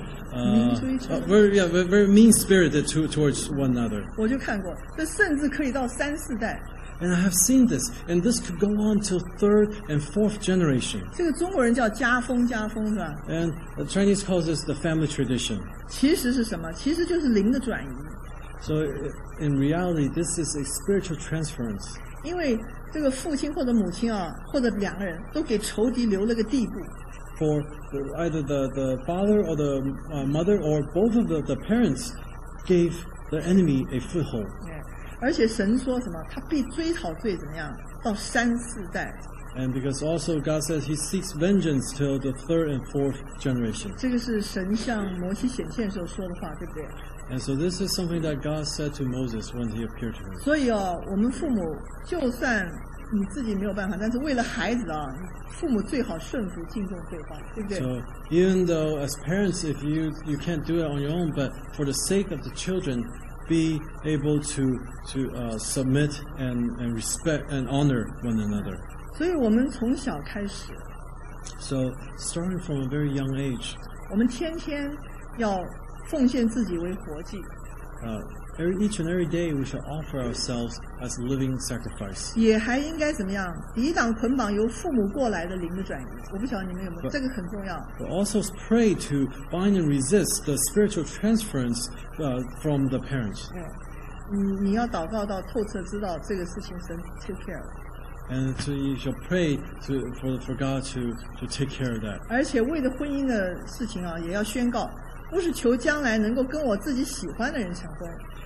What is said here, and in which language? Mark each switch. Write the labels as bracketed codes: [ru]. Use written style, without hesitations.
[en] very mean-spirited towards one another. [zh] 我就看过，这甚至可以到三四代。 [en] And I have seen this, and this could go on till third and fourth generation. [zh] 这个中国人叫家风，家风是吧？ [en] And the Chinese calls this the family tradition. [zh] 其实是什么？其实就是灵的转移。 [en] So in reality, this is a spiritual transference. [zh] 因为这个父亲或者母亲啊，或者两个人都给仇敌留了个地步。 [en] For either the father or the mother or both of the parents gave the enemy a foothold. Yeah. [zh] 而且神说什么？他必追讨罪怎么样？到三四代。 [en] And because also God says He seeks vengeance till the third and fourth generation. [zh] 这个是神向摩西显现时候说的话，对不对？ [en] And so this is something that God said to Moses when He appeared to him. [zh] 所以哦，我们父母就算。你自己没有办法，但是为了孩子啊，父母最好顺服、敬重对方，对不对 [en] ？So, even though as parents, if you can't do it on your own, but for the sake of the children, be able to submit and respect and honor one another. [zh] 所以我们从小开始。 [en] So, starting from a very young age. [zh] 我们天天要奉献自己为活祭。 [en] Each and every day, we should offer ourselves as a living sacrifice. [zh] 也还应该怎么样？抵挡捆绑由父母过来的灵的转移。我不晓得你们有没有，这个很重要。 [en] But also pray to bind and resist the spiritual transference from the parents. [zh] 你要祷告到透彻，知道这个事情神 [en] take care. And so you shall pray for God to take care of that. [zh] 而且为了婚姻的事情啊，也要宣告，不是求将来能够跟我自己喜欢的人成婚。